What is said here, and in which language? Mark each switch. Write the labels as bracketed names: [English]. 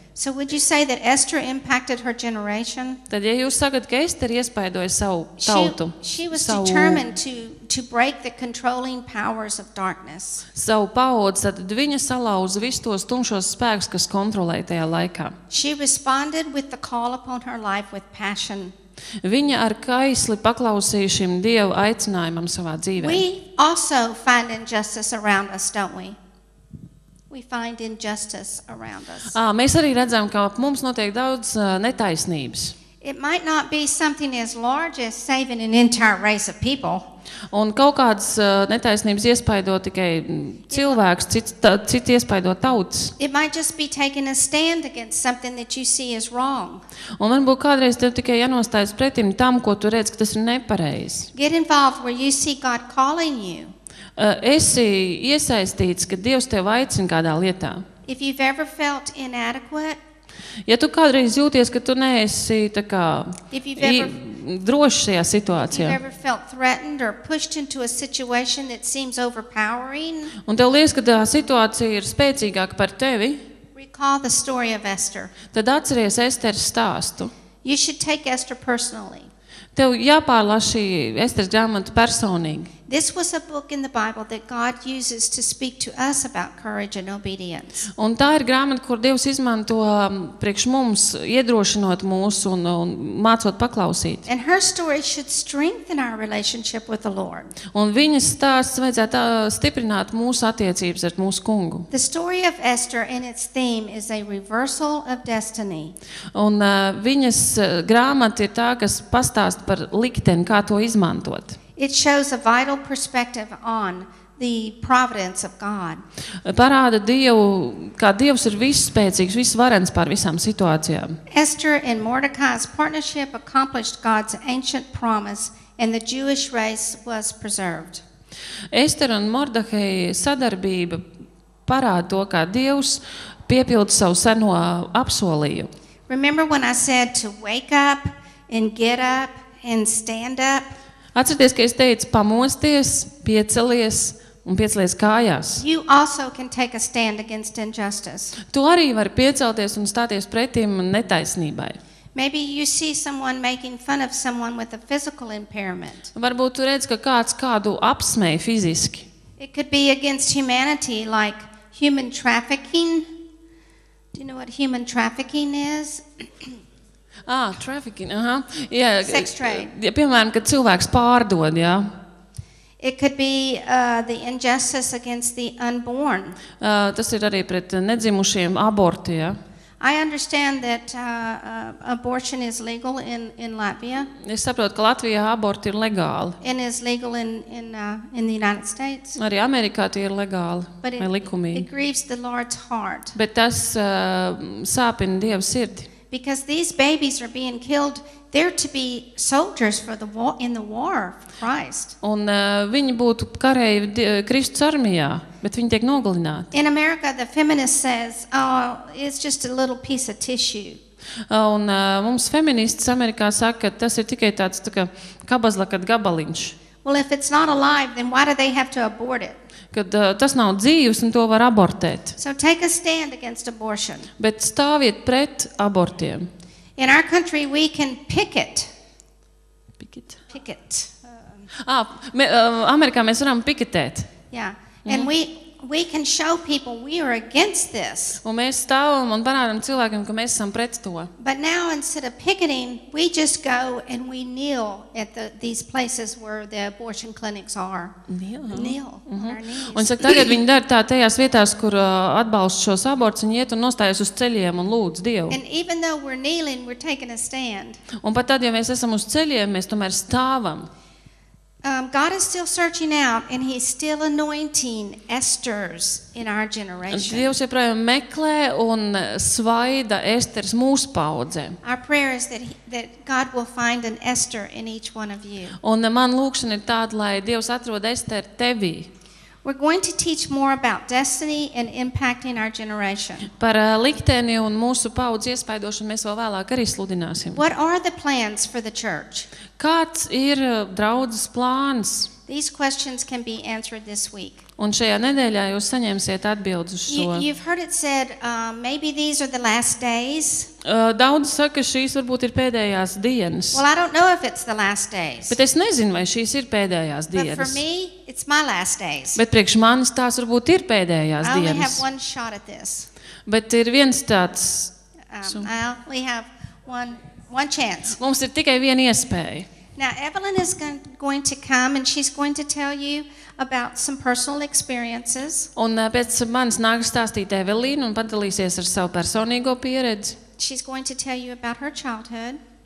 [English] So would you say that Esther impacted her generation? [Latvian] Tad ja jūs sakat, ka Ester iespaidoja savu tautu. [English] She was determined to break the controlling powers of darkness. [Latvian] Savu paudzi, tad viņa salauza visus tos tumšos spēkus, kas kontrolēja tajā laikā. [English] She responded with the call upon her life with passion. [Latvian] Viņa ar kaisli paklausīja šim Dieva aicinājumam savā dzīvē. [English] We also find injustice around us, don't we? We find injustice around us. [Latvian] Mēs arī redzam, ka mums notiek daudz netaisnības. [English] It might not be something as large as saving an entire race of people. [Latvian] Un kaut kādas netaisnības iespaido tikai cilvēks, cits iespaido tautas. [English] It might just be taking a stand against something that you see is wrong. [Latvian] Un varbūt kādreiz tev tikai jānostājas pretim tam, ko tu redzi, ka tas ir nepareizi. [English] Get involved where you see God calling you. [Latvian] Esi iesaistīts, ka Dievs tev aicina kādā lietā. [English] If you've ever felt inadequate, [Latvian] ja tu kādreiz jūties, ka tu neesi tā kā droši šajā situācijā, [English] if you've ever felt threatened or pushed into a situation that seems overpowering, [Latvian] un tev liekas, ka tā situācija ir spēcīgāka par tevi, [English] recall the story of Esther. [Latvian] Tad atceries Esteras stāstu. [English] You should take Esther personally. [Latvian] Tev jāpārlasa Esteras grāmatu personīgi. [English] This was a book in the Bible that God uses to speak to us about courage and obedience. [Latvian] Un tā ir grāmata, kur Dievs izmanto priekš mums, iedrošinot mūsu un mācot paklausīt. [English] And her story should strengthen our relationship with the Lord. [Latvian] Un viņas stāsts vajadzētu stiprināt mūsu attiecības ar mūsu Kungu. [English] The story of Esther and its theme is a reversal of destiny. [Latvian] Un viņas grāmata ir tā, kas pastāst par likteni, kā to izmantot. [English] It shows a vital perspective on the providence of God. [Latvian] Parāda Dievu, kā Dievs ir visspēcīgs, visvarens pār visām situācijām. [English] Esther and Mordecai's partnership accomplished God's ancient promise and the Jewish race was preserved. [Latvian] Ester un Mordehai sadarbība parāda to, kā Dievs piepilda savu seno apsolījumu. [English] Remember when I said to wake up and get up and stand up? [Latvian] Atcerieties, ka es teicu, pamosties, piecelies un piecelies kājās. [English] You also can take a stand against injustice. [Latvian] Tu arī vari piecelties un stāties pretim netaisnībai. [English] Maybe you see someone making fun of someone with a physical impairment. [Latvian] Varbūt tu redzi, ka kāds kādu apsmēj fiziski. [English] It could be against humanity, like human trafficking. Do you know what human trafficking is? Trafficking, aha. Yeah, sex trade. [Latvian] Ja, piemēram, kad cilvēks pārdod, jā. [English] It could be the injustice against the unborn. [Latvian] Tas ir arī pret nedzimušiem aborti, jā. [English] I understand that abortion is legal in Latvia. [Latvian] Es saprotu, ka Latvijā aborti ir legāli. [English] And is legal in the United States. [Latvian] Arī Amerikā tie ir legāli, vai likumīgi. [English] It grieves the Lord's heart. [Latvian] Bet tas sāpina Dieva sirdi. [English] Because these babies are being killed, they're to be soldiers for the war, in the war for Christ. [Latvian] Un viņi būtu kareivi Kristus armijā, bet viņi tiek nogalināti. [English] In America, the feminist says, oh, it's just a little piece of tissue. [Latvian] Un mums feministas Amerikā saka, ka tas ir tikai tāds tā kā kabazlakat gabaliņš. [English] Well, if it's not alive, then why do they have to abort it? [Latvian] Kad tas nav dzīvs un to var abortēt. [English] So take a stand against abortion. [Latvian] Bet stāviet pret abortiem. [English] In our country we can picket. Picket. [Latvian] Amerikā mēs varam piketēt. [English] Yeah. And we can show people we are against this. [Latvian] Un mēs stāvam un parādām cilvēkiem, ka mēs esam pret to. [English] But now instead of picketing, we just go and we kneel at these places where the abortion clinics are. Kneel. [Latvian] Un saka, tagad viņi dar tā tajās vietās, kur atbalst šos abortus, un iet un nostājas uz ceļiem un lūdz Dievu. [English] And even though we're kneeling, we're taking a stand. [Latvian] Un pat tad, ja mēs esam uz ceļiem, mēs tomēr stāvam. [English] God is still searching out and he's still anointing Esters in our generation. [Latvian] Dievs joprojām meklē un svaida Esters mūsu paudzē. [English] Our prayer is that God will find an Esther in each one of you. [Latvian] Un man lūkšana ir tāda, lai Dievs atrod Esteru tevī. [English] We're going to teach more about destiny and impacting our generation. [Latvian] Par likteni un mūsu paudzes iespaidošanu mēs vēl vēlāk arī sludināsim. [English] What are the plans for the church? [Latvian] Kāds ir draudzes plāns? [English] These questions can be answered this week. [Latvian] Un šajā nedēļā jūs saņemsiet atbildes uz šo. [English] You've heard it said, maybe these are the last days. [Latvian] Daudz saka, šīs varbūt ir pēdējās dienas. [English] Well, I don't know if it's the last days. [Latvian] Bet es nezinu, vai šīs ir pēdējās dienas. [English] But for me, it's my last days. [Latvian] Bet priekš manis tās varbūt ir pēdējās dienas. [English] I only have one shot at this. [Latvian] Bet ir viens tāds. [English] We have one chance. [Latvian] Mums ir tikai viena iespēja. [English] Now Evelyn is going to come and she's going to tell you about some personal experiences. [Latvian] Un pēc manas nāk stāstīt Evelīna un padalīsies ar savu personīgo pieredzi. [English] She's going to tell you about her childhood.